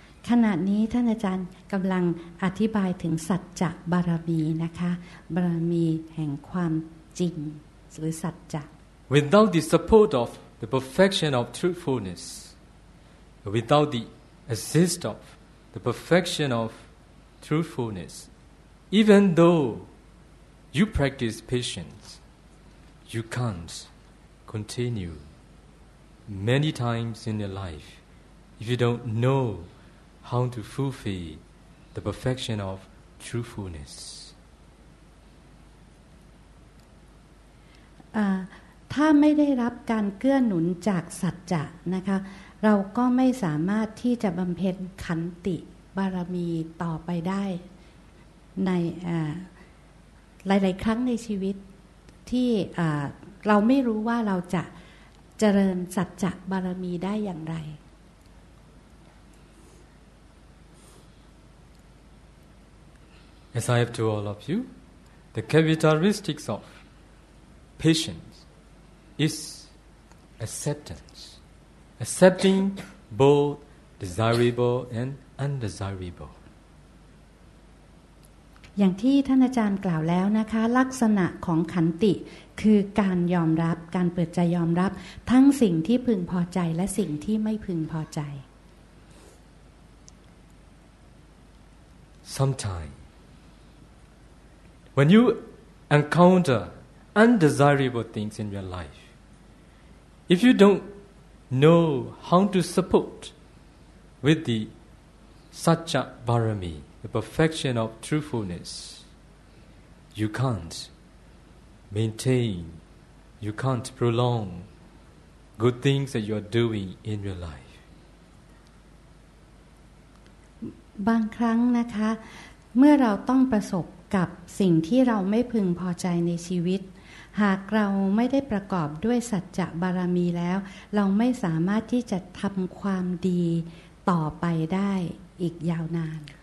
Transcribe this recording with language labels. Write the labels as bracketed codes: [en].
[th] ขณะนี้ท่านอาจารย์กำลังอธิบายถึงสัจจะบารมีนะคะบารมีแห่งความจริงหรือสัจจะ [en] Without the support of the perfection of truthfulness, without the assist of the perfection of truthfulness, even though you practice patience, you can't continue. Many times in your life, if you don't know how to fulfill the perfection of truthfulness. [th] ถ้าไม่ได้รับการเกื้อหนุนจากสัจจะนะคะเราก็ไม่สามารถที่จะบำเพ็ญขันติบารมีต่อไปได้ในหลายๆครั้งในชีวิตที่เราไม่รู้ว่าเราจะเจริญสัจจะบารมีได้อย่างไร [en] As I have to all of you, the characteristics of patience is acceptance, accepting both desirable and undesirable. [th] อย่างที่ท่านอาจารย์กล่าวแล้วนะคะลักษณะของขันติคือการยอมรับการเปิดใจยอมรับทั้งสิ่งที่พึงพอใจและสิ่งที่ไม่พึงพอใจ [en] Sometimes when you encounter undesirable things in your life if you don't know how to support with the Sacca Barami the perfection of truthfulness you can'tMaintain, you can't prolong good things that you are doing in your life. [th] บางครั้งนะคะเมื่อเราต้องประสบกับสิ่งที่เราไม่พึงพอใจในชีวิตหากเราไม่ได้ประกอบด้วยสัจจะบารมีแล้วเราไม่สามารถที่จะทำความดีต่อไปได้อีกยาวนาน